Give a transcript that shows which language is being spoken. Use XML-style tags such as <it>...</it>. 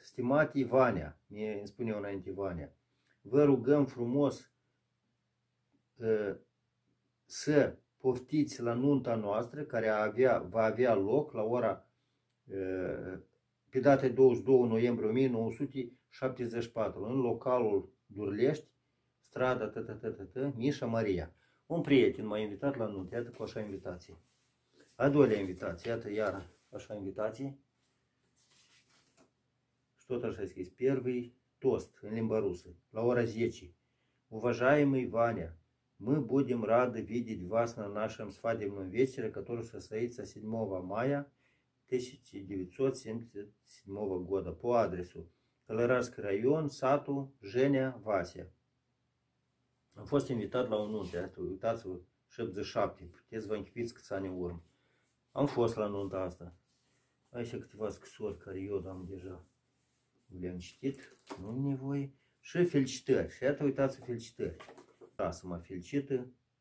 <ro>Stimat Ivania, mi-a spus eu înainte Ivania, vă rugăm frumos să poftiți la nunta noastră, care va avea loc la ora pe data 22 noiembrie 1974, în localul Durlești, strada Mișa Maria. Un prieten m-a invitat la nuntă, iată cu așa invitație. A doilea invitație, iată iar așa invitație. Și tot așa scris,</ro> <ru>первый тост</ru> <ro>în limba rusă, la ora 10.</ro> <ru>Уважаемый Ваня, мы будем рады видеть вас на нашем свадебном вечере, который состоится 7 мая 1977 года по адресу Калерарский район, сату Женя Вася.</ru> <ro>Am fost invitat la un nunt, uitați-vă, 77, puteți vă închipiți câți ani urm. Am fost la nunta asta. Aici câteva scrisori care eu am deja le-am citit, nu nevoie. Și felicitări, și iată, uitați-vă, felicitări. Da, să mă felicită</ro>